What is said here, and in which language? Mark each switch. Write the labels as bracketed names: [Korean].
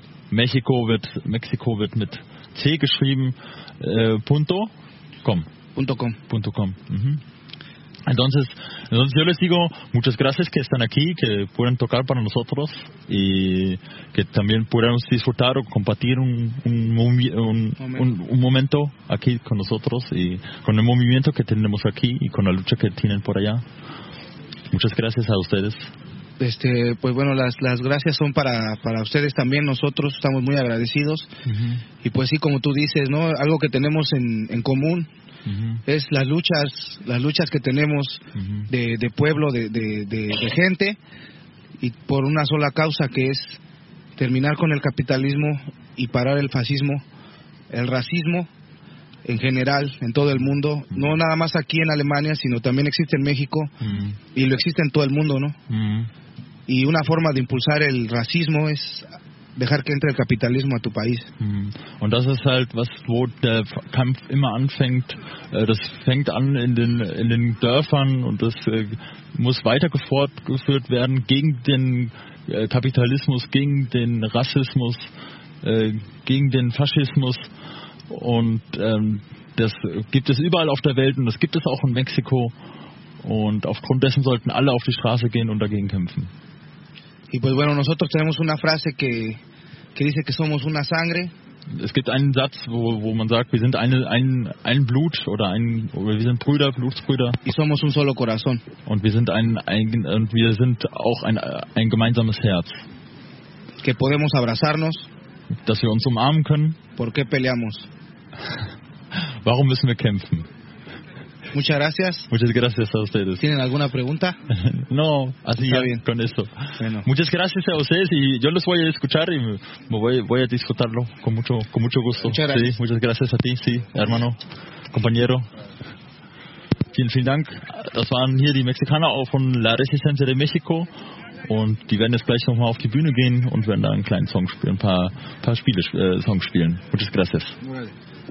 [German] Mexiko wird mit C geschrieben. [Spanish] Punto com. Mhm. Entonces yo les digo muchas gracias que están aquí, que pueden tocar para nosotros y que también podamos disfrutar o compartir un momento aquí con nosotros y con el movimiento que tenemos aquí y con la lucha que tienen por allá. Muchas gracias a ustedes. Pues bueno, las gracias son para ustedes también. Nosotros estamos muy agradecidos uh-huh. y pues sí, como tú dices, ¿no? Algo que tenemos en común uh-huh. es las luchas que tenemos uh-huh. de pueblo, de gente y por una sola causa que es terminar con el capitalismo y parar el fascismo, el racismo en general, en todo el mundo, uh-huh. no nada más aquí en Alemania, sino también existe en México uh-huh. y lo existe en todo el mundo, ¿no? Uh-huh. Y una forma de impulsar el racismo es dejar que entre el capitalismo a tu país. [German] Und das ist halt was, wo der Kampf immer anfängt. Das fängt an in den Dörfern und das muss weiter fortgeführt werden gegen den Kapitalismus, gegen den Rassismus, gegen den Faschismus. Und das gibt es überall auf der Welt und das gibt es auch in Mexiko. Und aufgrund dessen sollten alle auf die Straße gehen und dagegen kämpfen. [Spanish] Y pues bueno, nosotros tenemos una frase que dice que somos una sangre. [German] Es gibt einen Satz, wo man sagt, wir sind ein Blut oder wir sind Brüder, Blutsbrüder. [Spanish] Y somos un solo corazón. [German] Und wir sind auch ein gemeinsames Herz. [Spanish] Que podemos abrazarnos. [German] Dass wir uns umarmen können. [Spanish] ¿Por qué peleamos? [German] Warum müssen wir kämpfen? [Spanish] Muchas gracias. Muchas gracias a ustedes. ¿Tienen alguna pregunta? No, así está bien. Con eso. Bueno. Muchas gracias a ustedes y yo los voy a escuchar y me voy a disfrutarlo con mucho gusto. Muchas gracias. Sí, muchas gracias a ti, sí, hermano, compañero. [German] Vielen, vielen Dank. Das waren hier die Mexikaner auch von La Resistencia de México und die werden jetzt gleich nochmal auf die Bühne gehen und werden da einen kleinen Song spielen, ein paar Songs spielen. [Spanish] Muchas gracias. Vale.